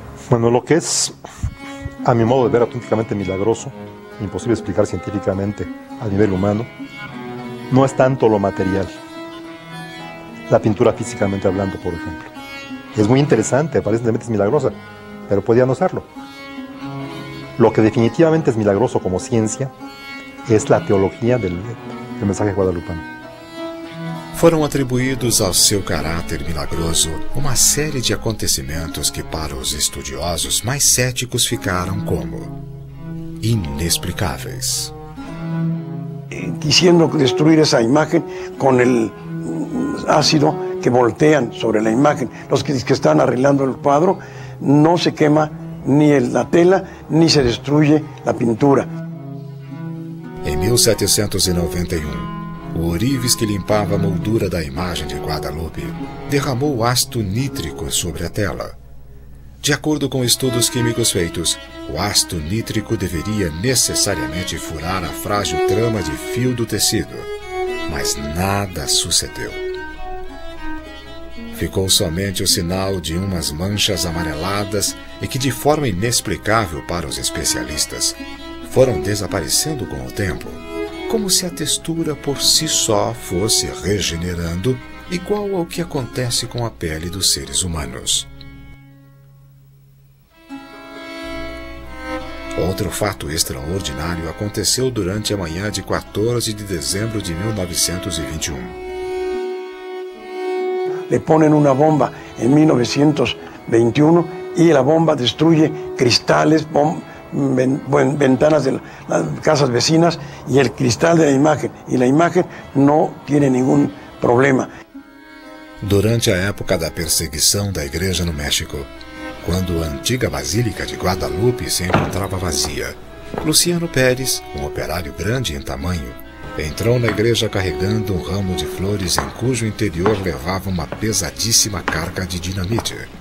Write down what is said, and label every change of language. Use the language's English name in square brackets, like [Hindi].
[Spanish] Bueno, lo que es, a mi modo de ver, auténticamente milagroso, imposible explicar científicamente a nivel humano, no es tanto lo material, la pintura físicamente hablando, por ejemplo. Es muy interesante, aparentemente es milagrosa, pero podía no serlo. Lo que definitivamente es milagroso como ciencia es la teología del mensaje guadalupano. [Portuguese] Foram atribuídos ao seu caráter milagroso uma série de acontecimentos que para os estudiosos mais céticos ficaram como inexplicáveis. [Spanish] Diciendo destruir esa imagen con el ácido que voltean sobre la imagen. Los que están arreglando el cuadro, no se quema ni la tela ni se destruye la pintura. [Portuguese] Em 1791, o ourives que limpava a moldura da imagem de Guadalupe derramou ácido nítrico sobre a tela. De acordo com estudos químicos feitos, o ácido nítrico deveria necessariamente furar a frágil trama de fio do tecido. Mas nada sucedeu. Ficou somente o sinal de umas manchas amareladas e que, de forma inexplicável para os especialistas, foram desaparecendo com o tempo, como se a textura por si só fosse regenerando, igual ao que acontece com a pele dos seres humanos. Outro fato extraordinário aconteceu durante a manhã de 14 de dezembro de 1921. [Spanish] Le ponen una bomba en 1921 y la bomba destruye cristales, ventanas de las casas vecinas y el cristal de la imagen. Y la imagen no tiene ningún problema. [Portuguese] Durante a época da perseguição da igreja no México, quando a antiga Basílica de Guadalupe se encontrava vazia, Luciano Pérez, um operário grande em tamanho, entrou na igreja carregando um ramo de flores em cujo interior levava uma pesadíssima carga de dinamite.